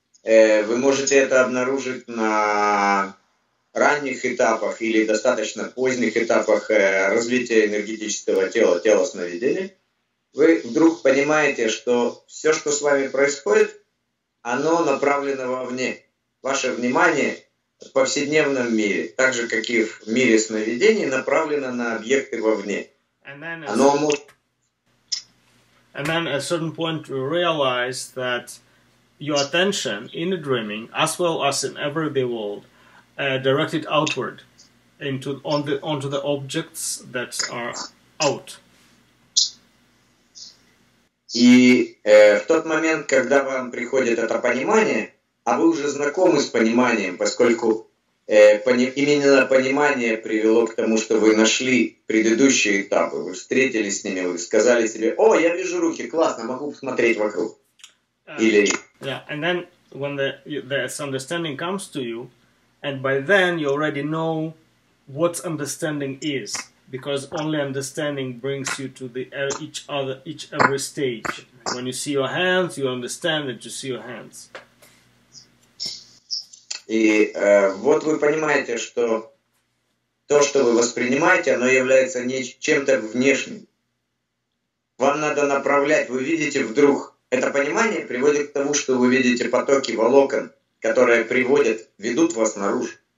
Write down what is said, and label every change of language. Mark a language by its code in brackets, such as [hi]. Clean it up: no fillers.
[ru] Вы можете это обнаружить на ранних этапах или достаточно поздних этапах развития энергетического тела, тела сновидения. Вы вдруг понимаете, что все, что с вами происходит, оно направлено вовне. Ваше внимание в повседневном мире, так же, как и в мире сновидений, направлено на объекты вовне. Оно может... [en] And then at a certain point you realize that your attention in the dreaming, as well as in everyday world, directed outward into onto the objects that are out. [ru] И в тот момент, когда вам приходит это понимание, а вы уже знакомы с пониманием, поскольку именно понимание привело к тому, что вы нашли предыдущие этапы, вы встретились с ними, вы сказали себе: «О, я вижу руки, классно, могу посмотреть вокруг». Или [en] Yeah, and then when this understanding comes to you, and by then you already know what understanding is, because only understanding brings you to the each every stage. When you see your hands, you understand that you see your hands. [ru] И вот вы понимаете, что то, что вы воспринимаете, оно является чем-то внешним. Вам надо направлять, вы видите вдруг. Это понимание приводит к тому, что вы видите потоки волокон, которые приводят, ведут вас наружу.